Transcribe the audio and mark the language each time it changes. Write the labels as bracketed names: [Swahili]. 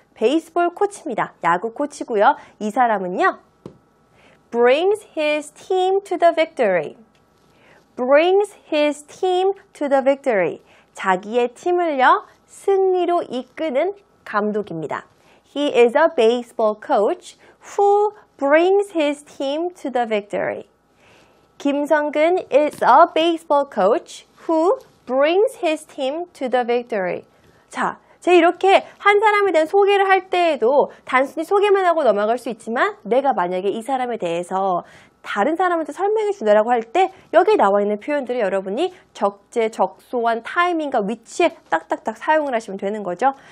[Korean] 베이스볼 코치입니다. 야구 코치고요. 이 사람은요. [English] Brings his team to the victory. Brings his team to the victory. [Korean] 자기의 팀을요. 승리로 이끄는 감독입니다. [English] He is a baseball coach who brings his team to the victory. 김성근 is a baseball coach who brings his team to the victory. [Korean] 자, 제 이렇게 한 사람에 대한 소개를 할 때에도 단순히 소개만 하고 넘어갈 수 있지만 내가 만약에 이 사람에 대해서 다른 사람한테 설명해 주느라고 할 때 여기에 나와 있는 표현들을 여러분이 적재적소한 타이밍과 위치에 딱딱딱 사용을 하시면 되는 거죠.